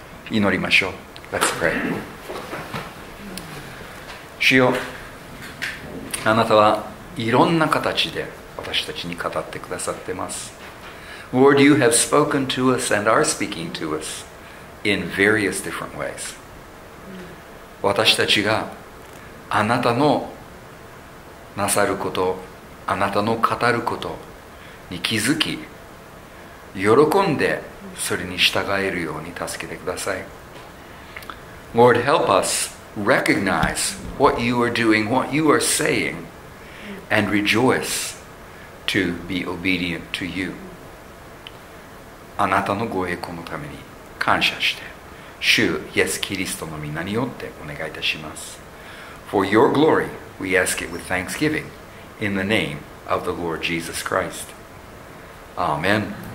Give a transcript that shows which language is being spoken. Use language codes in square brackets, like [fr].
[ja] 祈りましょう。 [en] Let's pray. [ja] 主よ、あなたはいろんな形で私たちに語ってくださってます。 [en] Lord, you have spoken to us and are speaking to us in various different ways. [ja] 私たちがあなたのなさること、あなたの語ることに気づき、喜んでそれに従えるように助けてください。 [en] Lord, help us recognize what you are doing, what you are saying, and rejoice to be obedient to you. [ja] あなたのご栄光のために感謝して、主イエス・キリストの御名によってお願いいたします。 [en] For your glory, we ask it with thanksgiving in the name of the Lord Jesus Christ. Amen.